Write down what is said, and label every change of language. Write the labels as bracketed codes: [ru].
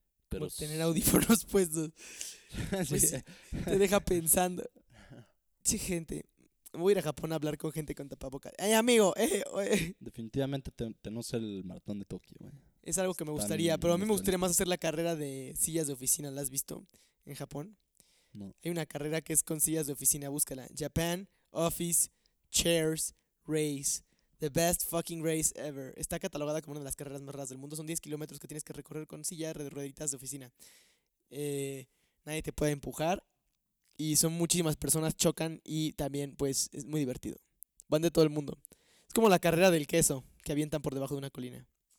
[es] Pero tener audífonos puestos. Pues, te deja pensando. Sí, gente. Voy a ir a Japón a hablar con gente con tapabocas. ¡Ay, amigo! Definitivamente tenemos el maratón de Tokio, güey. Es algo que me gustaría, pero a mí me gustaría más hacer la carrera de sillas de oficina. ¿La has visto en Japón? No. Hay una carrera que es con sillas de oficina. Búscala. [en] Japan Office Chairs Race. The best fucking race ever. [es] Está catalogada como una de las carreras más raras del mundo. Son 10 kilómetros que tienes que recorrer con silla de rueditas de oficina. Nadie te puede empujar. Y son muchísimas personas, chocan. Y también, pues, es muy divertido. Van de todo el mundo. Es como la carrera del queso, que avientan por debajo de una colina.